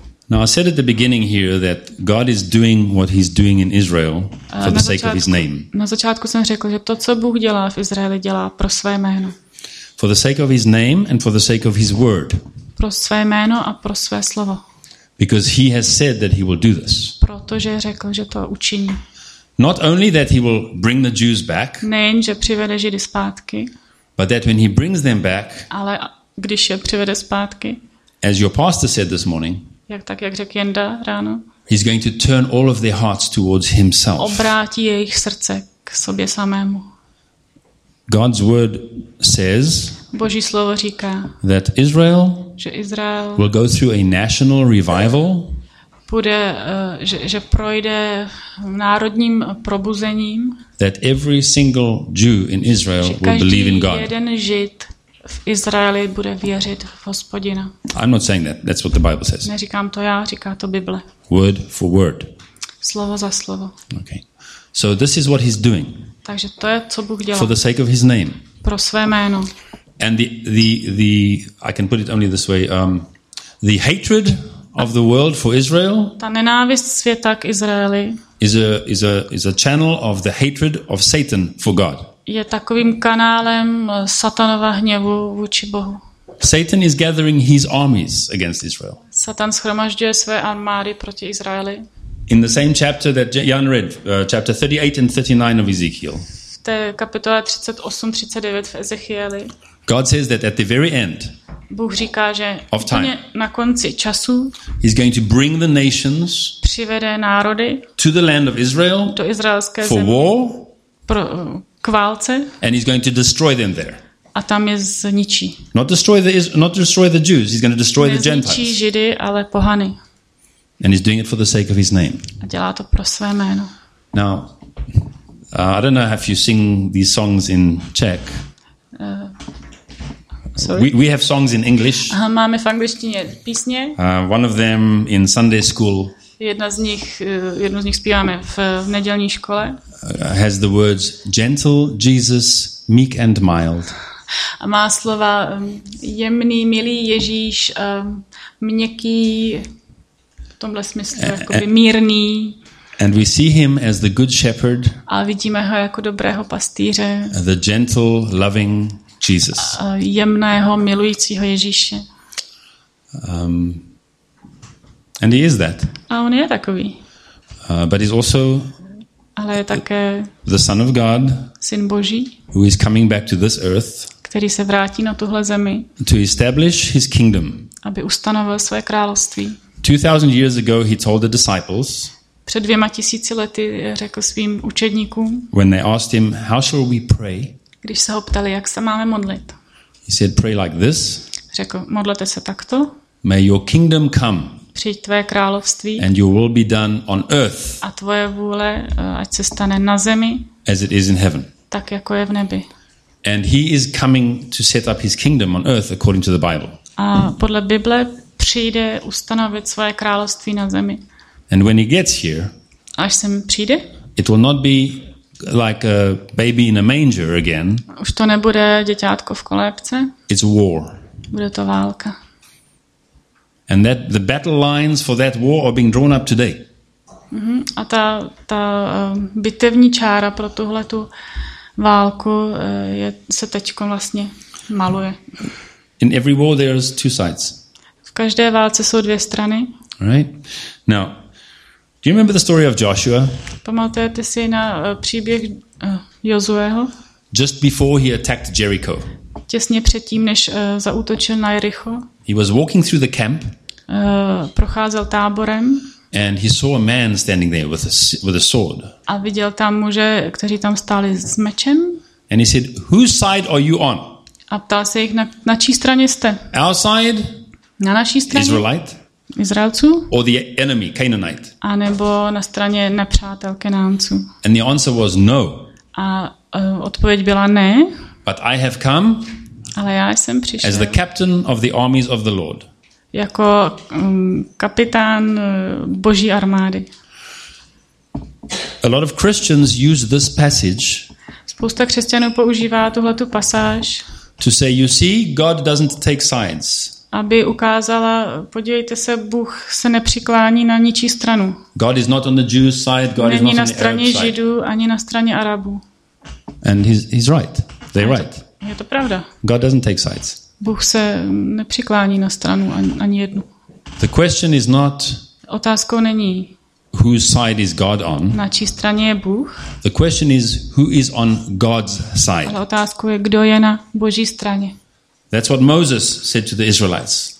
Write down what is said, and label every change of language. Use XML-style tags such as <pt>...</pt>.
<en>Now I said at the beginning here that God is doing what he's doing in Israel for the sake of his name.</en> <cs>Na začátku jsem řekl, že to, co Bůh dělá v Izraeli, dělá pro své jméno.</cs> <en>For the sake of his name and for the sake of his word.</en> <cs>Pro své jméno a pro své slovo.</cs> <en>Because he has said that he will do this.</en> <cs>Protože řekl, že to učiní.</cs> <en>Not only that he will bring the Jews back.</en> <cs>Nejen, že přivede Židy zpátky.</cs> <en>But that when he brings them back.</en> <cs>Ale když je přivede zpátky.</cs> <en>As your pastor said this morning.</en> <cs>Jak řekl Jenda ráno.</cs> <en>He's going to turn all of their hearts towards himself.</en> <cs>Obrátí jejich srdce k sobě samému.</cs> <en>God's word says.</en> <cs>Boží slovo říká.</cs> <en>That Israel.</en> <cs>Že Izrael.</cs> <en>Will go through a national revival.</en> <cs>Bude, že projde národním probuzením.</cs> <en>That every single Jew in Israel will believe in God.</en> <cs>Jeden Žid v Izraeli bude věřit v Hospodina.</cs> <en>I'm not saying that. That's what the Bible says.</en> <cs>Neříkám to já, říká to Bible.</cs> <en>Word for word.</en> <cs>Slovo za slovo.</cs> <en>Okay. So this is what he's doing.</en> <cs>Takže to je, co Bůh dělá.</cs> <en>For the sake of his name.</en> <cs>Pro své jméno.</cs> <en>And the I can put it only this way. The hatred of the world for Israel.</en> <cs>Ta nenávist světa k Izraeli.</cs> <en>Is a channel of the hatred of Satan for God.</en> <cs>Je takovým kanálem Satanova hněvu vůči Bohu.</cs> <en>Satan is gathering his armies against Israel.</en> <cs>Satan shromažďuje své armády proti Izraeli.</cs> <en>In the same chapter that Jan read, chapter 38 and 39 of Ezekiel.</en> <cs>V té kapitole 38 39 v Ezechieli.</cs> <en>God says that at the very end.</en> <cs>Bůh říká, že úplně na konci času.</cs> <en>He's going to bring the nations.</en> <cs>Přivede národy.</cs> <en>To the land of Israel.</en> <cs>Do izraelské země.</cs> <en>For war.</en> <cs>Válce,</cs> <en>and he's going to destroy them there.</en> <cs>A tam je zničí.</cs> <en>Not destroy the Jews. He's going to destroy the Gentiles.</en> <cs>Nezničí Židy, ale pohany.</cs> <en>And he's doing it for the sake of his name.</en> <cs>A dělá to pro své jméno.</cs> <en>Now, I don't know if you sing these songs in Czech. We have songs in English.</en> <cs>Máme v angličtině písně.</cs> <en>One of them in Sunday school.</en> <cs>Jednu z nich zpíváme v nedělní škole.</cs> <en>Has the words gentle Jesus, meek and mild.</en> <cs>A má slova jemný, milý Ježíš, měkký, v tomhle smyslu, jakoby mírný.</cs> <en>And we see him as the good shepherd.</en> <cs>A vidíme ho jako dobrého pastýře.</cs> <en>The gentle, loving Jesus.</en> <cs>A jemného, milujícího Ježíše.</cs> <en>And he is that.</en> <cs>A on je takový.</cs> <en>But he's also</en> <cs>ale je také</cs> <en>the Son of God,</en> <cs>Syn Boží,</cs> <en>who is coming back to this earth,</en> <cs>který se vrátí na tuhle zemi,</cs> <en>to establish his kingdom.</en> <cs>Aby ustanovil své království.</cs> <en>2000 years ago he told the disciples,</en> <cs>před 2000 lety řekl svým učedníkům,</cs> <en>when they asked him, how shall we pray,</en> <cs>když se ho ptali, jak se máme modlit,</cs> <en>he said, pray like this,</en> <cs>řekl, modlete se takto,</cs> <en>may your kingdom come,</en> <cs>přijď tvoje království,</cs> <en>and your will be done on earth,</en> <cs>a tvoje vůle, ať se stane na zemi,</cs> <en>as it is in heaven,</en> <cs>tak jako je v nebi.</cs> <en>And he is coming to set up his kingdom on earth according to the Bible.</en> <cs>A podle Bible přijde ustanovit svoje království na zemi.</cs> <en>And when he gets here,</en> <cs>až sem přijde,</cs> <en>it will not be like a baby in a manger again.</en> <cs>Už to nebude děťátko v kolébce.</cs> <en>It's war.</en> <cs>Bude to válka.</cs> <en>And that the battle lines for that war are being drawn up today. Mm-hmm.</en> <cs>A ta bitevní čára pro tuhle tu válku se teďko vlastně maluje.</cs> <en>In every war there's two sides.</en> <cs>V každé válce jsou dvě strany.</cs> <en>Right. Now, do you remember the story of Joshua?</en> <cs>Pamatujete si na příběh Josueho?</cs> <en>Just before he attacked Jericho.</en> <cs>Těsně předtím, než zaútočil na Jericho.</cs> <en>He was walking through the camp.</en> <cs>Procházel táborem.</cs> <en>And he saw a man standing there with a sword.</en> <cs>A viděl tam muže, kteří tam stáli s mečem.</cs> <en>And he said, "Whose side are you on?"</en> <cs>A ptal se jich, na čí straně jste?</cs> <en>Our side?</en> <cs>Na naší straně?</cs> <en>Israelite?</en> <cs>Izraelců?</cs> <en>Or the enemy, Canaanite?</en> <cs>A nebo na straně nepřátel Kenánců?</cs> <en>And the answer was no.</en> <cs>A odpověď byla ne.</cs> <en>But I have come.</en> <cs>Ale já jsem přišel.</cs> <en>As the captain of the armies of the Lord.</en> <cs>Jako kapitán Boží armády.</cs> <en>A lot of Christians use this passage.</en> <cs>Spousta křesťanů používá tuhle tu pasáž.</cs> <en>To say, you see, God doesn't take sides.</en> <cs>Aby ukázala, podívejte se, Bůh se nepřiklání na ničí stranu.</cs> <en>God is not on the Jew's side, God</en> <cs>není</cs> <en>is not</en> <cs>na straně Židů, ani na straně Arabů.</cs> <en>And he's right. They're right.</en> <cs>Je to pravda.</cs> <en>God doesn't take sides.</en> <cs>Bůh se nepřiklání na stranu ani jednu.</cs> <en>The question is not,</en> <cs>otázkou není,</cs> <en>whose side is God on?</en> <cs>Na čí straně je Bůh?</cs> <en>The question is, who is on God's side?</en> <cs>Ale otázkou je, kdo je na Boží straně?</cs> <en>That's what Moses said to the Israelites.</en>